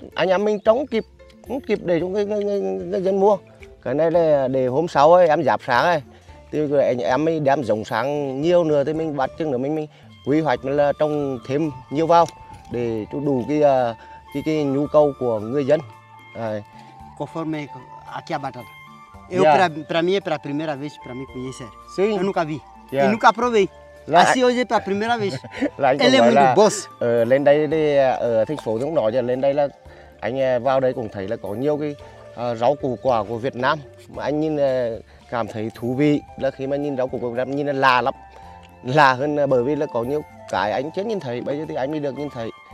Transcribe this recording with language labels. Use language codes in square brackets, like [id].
[vi] Anh em mình trống kịp, không kịp để cho người dân mua. Cái này là để hôm sáu ấy, em giáp sáng ấy, thì anh em mình đem giống sáng nhiều nữa thì mình bắt chừng nữa mình quy hoạch là trồng thêm nhiều vào để cho đủ cái nhu cầu của người dân. [pt] Conforme aqui a batata. Eu para mim é para a primeira vez para me conhecer. Sim. Eu nunca vi. Yeah. E nunca provei. Lá, assim hoje é para a primeira vez. Lá, ele é muito boss. [vi] Lên đây đi ở thành phố giống nói giờ lên đây là anh vào đây cũng thấy là có nhiều cái rau củ quả của Việt Nam mà anh nhìn cảm thấy thú vị là khi mà nhìn rau củ quả Việt Nam nhìn là lạ lắm. Lạ hơn bởi vì là có nhiều cái anh chưa nhìn thấy, bây giờ thì anh mới được nhìn thấy.